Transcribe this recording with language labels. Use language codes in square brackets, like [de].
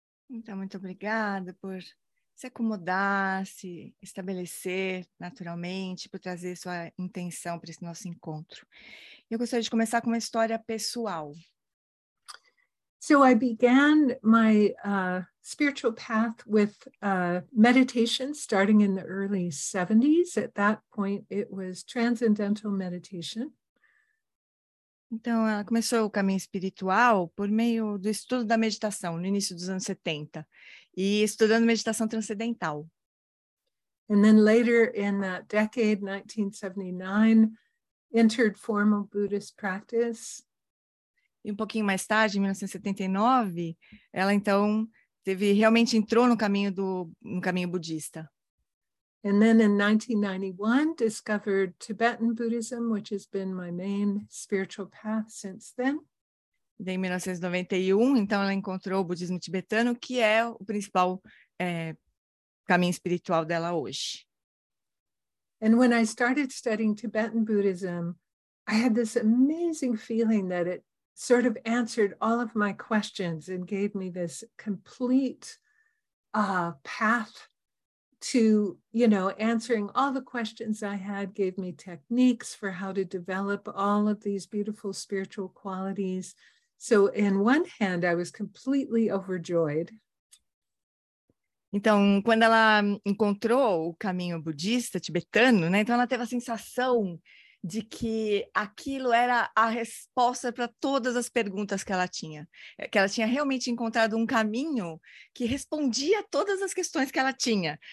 [pt] Então, muito obrigada por se acomodar, se estabelecer naturalmente, por trazer sua intenção para esse nosso encontro. Eu gostaria de começar com uma história pessoal. [en] So I began my spiritual path with meditation starting in the early 70s. At that point, it was transcendental meditation. [pt] Então, ela começou o caminho espiritual por meio do estudo da meditação no início dos anos 70 e estudando meditação transcendental. [en] And then later in that decade, 1979, entered formal Buddhist practice. [pt] E um pouquinho mais tarde, em 1979, ela então realmente entrou no caminho budista. [en] And then in 1991, discovered Tibetan Buddhism, which has been my main spiritual path since then. [pt] Em 1991, então ela encontrou o budismo tibetano, que é o principal caminho espiritual dela hoje. [en] And when I started studying Tibetan Buddhism, I had this amazing feeling that it sort of answered all of my questions and gave me this complete path to, you know, answering all the questions I had, gave me techniques for how to develop all of these beautiful spiritual qualities. So in one hand, I was completely overjoyed. [pt] Então, quando ela encontrou o caminho budista tibetano, né? Então ela teve a sensação de que aquilo era a resposta para todas as perguntas que ela tinha. Que ela tinha realmente encontrado um caminho que respondia a todas as questões que ela tinha.